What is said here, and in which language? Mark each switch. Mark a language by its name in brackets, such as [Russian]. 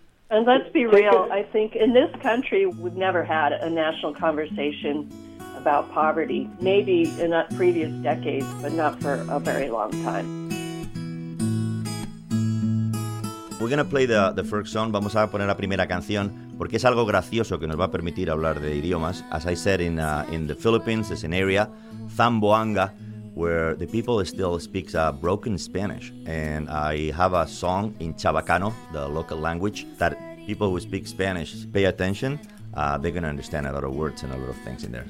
[English] And let's be real, I think in this country, we've never had a national conversation about poverty. Maybe in the previous decades, but not for a very long time. We're going to play the first song. [Spanish] Vamos a poner la primera canción porque es algo gracioso que nos va a permitir hablar de idiomas. [English] As I said, in the Philippines, it's an area, Zamboanga, where the people still speak broken Spanish. And I have a song in Chabacano, the local language, that people who speak Spanish pay attention. They're going to understand a lot of words and a lot of things in there.